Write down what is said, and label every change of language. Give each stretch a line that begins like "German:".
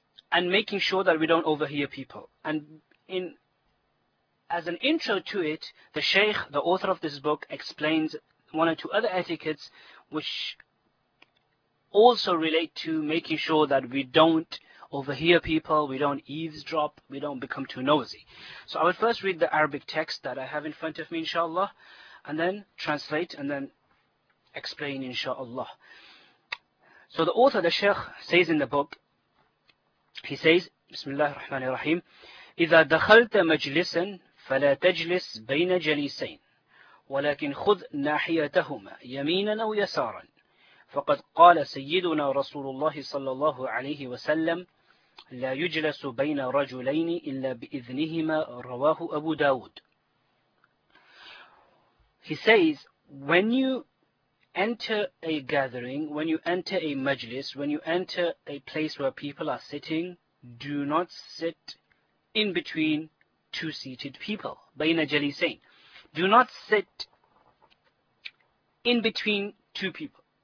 English: And making sure that we don't overhear people. And in as an intro to it, the Shaykh, the author of this book, explains one or two other etiquettes which also relate to making sure that we don't overhear people, we don't eavesdrop, we don't become too nosy. So I would first read the Arabic text that I have in front of me, inshallah, and then translate and then explain, inshallah. So the author, the Shaykh, says in the book, he says,
Arabic: Bismillah ar-Rahman ar-Rahim, إِذَا دَخَلْتَ مَجْلِسًا فَلَا تَجْلِسْ بَيْنَ جَلِيسَيْنِ وَلَكِنْ خُذْ نَاحِيَتَهُمَا يَمِينًا أَوْ يَسَارًا فقد قال سيدنا رسول الله صلى الله عليه وسلم لا يجلس بين رجلين إلا بإذنهما رواه أبو داود.
English: He says, when you enter a gathering, when you enter a majlis, when you enter a place where people are sitting, do not sit in between two seated people.
Arabic: بين جليسين.
English: Do not sit in between two people.